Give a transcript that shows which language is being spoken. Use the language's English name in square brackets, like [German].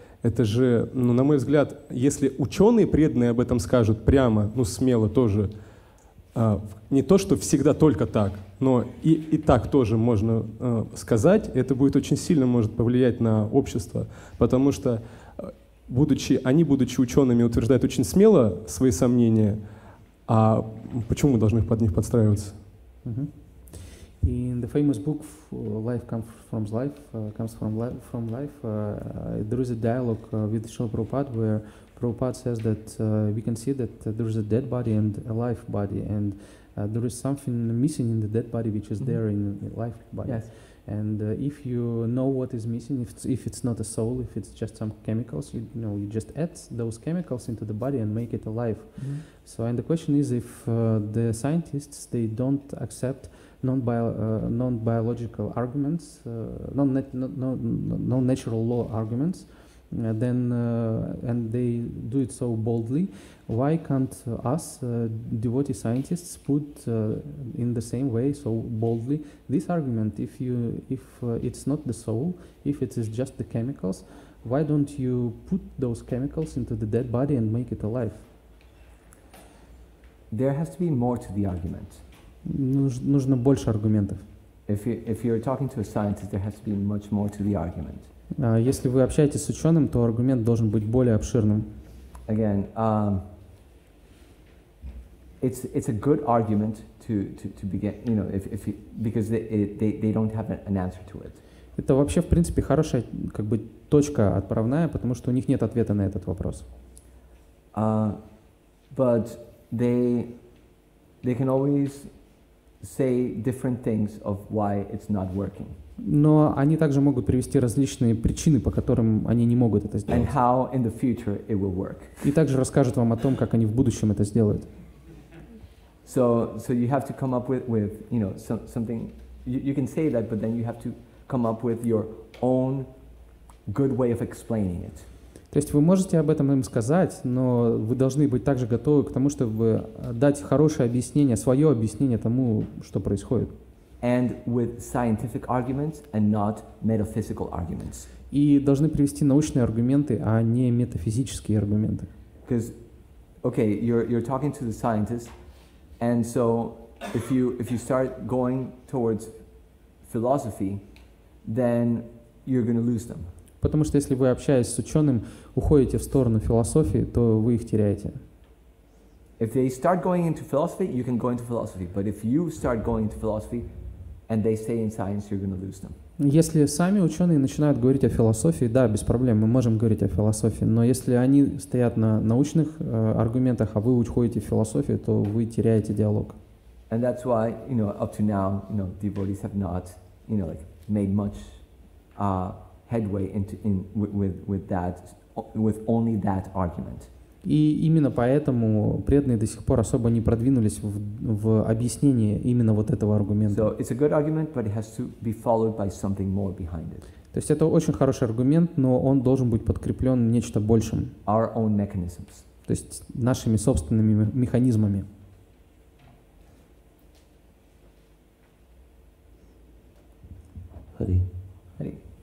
[Russian] Это же, ну, на мой взгляд, если ученые преданные об этом скажут прямо, ну, смело тоже, не то, что всегда только так, но и так тоже можно сказать, это будет очень сильно может повлиять на общество, потому что будучи учеными, утверждают очень смело свои сомнения, а почему мы должны под них подстраиваться? [English] In the famous book "Life comes from life," there is a dialogue with Srila Prabhupada where Prabhupada says that we can see that there is a dead body and a life body, and there is something missing in the dead body which is there in the life body. Yes. And if you know what is missing, if it's not a soul, if it's just some chemicals, you just add those chemicals into the body and make it alive. So, and the question is, if the scientists they don't accept non-biological arguments, non-natural law arguments, and they do it so boldly, why can't us devotee scientists put in the same way so boldly this argument? If it's not the soul, if it is just the chemicals, why don't you put those chemicals into the dead body and make it alive? There has to be more to the argument. [Russian] Нужно больше аргументов. [English] If you're talking to a scientist, there has to be much more to the argument. [Russian] Если вы общаетесь с ученым, то аргумент должен быть более обширным. [English] Again, it's a good argument to begin, you know, if because they don't have an answer to it. [Russian] Это вообще в принципе хорошая как бы точка отправная, потому что у них нет ответа на этот вопрос. [English] But they can always say different things of why it's not working. [Russian] Но они также могут привести различные причины, по которым они не могут это сделать. [English] And how in the future it will work. [Russian] И также расскажут вам о том, как они в будущем это сделают. [English] So you have to come up with you know, something. You can say that, but then you have to come up with your own good way of explaining it. [Russian] То есть вы можете об этом им сказать, но вы должны быть также готовы к тому, чтобы дать хорошее объяснение, свое объяснение тому, что происходит. [English] And with scientific arguments and not metaphysical arguments. [Russian] И должны привести научные аргументы, а не метафизические аргументы. [English] Because, okay, you're talking to the scientist, and so if you start going towards philosophy, then you're going to lose them. [Russian] Потому что если вы, общаясь с ученым, уходите в сторону философии, то вы их теряете. [English] If they start going into philosophy, you can go into philosophy. But if you start going into philosophy, and they stay in science, you're going to lose them. [Russian] Если сами ученые начинают говорить о философии, да, без проблем, мы можем говорить о философии. Но если они стоят на научных аргументах, а вы уходите в философию, то вы теряете диалог. [English] And that's why, you know, up to now, you know, devotees have not, you know, like, made much headway with that, with only that argument. [Russian] И именно поэтому преданные до сих пор особо не продвинулись в объяснении именно вот этого аргумента. [English] So it's a good argument, but it has to be followed by something more behind it. [Russian] То есть это очень хороший аргумент, но он должен быть подкреплен нечто большим. [English] Our own mechanisms. [Russian] То есть нашими собственными механизмами. Hari. Hari.